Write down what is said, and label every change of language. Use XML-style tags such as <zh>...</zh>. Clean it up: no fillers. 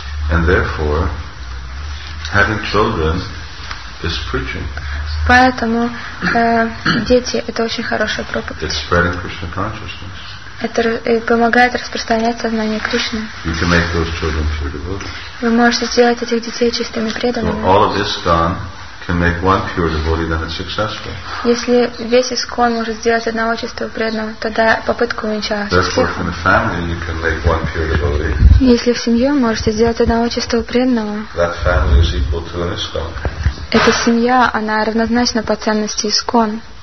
<en>And therefore, having children is preaching.</en> <ru>Поэтому дети это очень хорошая проповедь.</ru> <en>It's spreading Krishna consciousness.</en> <ru>Это помогает распространять сознание Кришны.</ru> <en>You can make those children pure devotees.</en> <ru>Вы можете сделать этих детей чистыми преданными.</ru> <en>So all of ISKCON can make one pure devotee, then it's successful.</en> <ru>Если весь ИСКОН может сделать одного чистого преданного, тогда попытка увенчалась.</ru> <en>Therefore, in a family, you can make one pure devotee.</en> <ru>Если в семье можете сделать одного чистого преданного,</ru> <en>that family is equal to an ISKCON.</en> <ru>Эта семья, она равнозначна по ценности ИСКОН.</ru>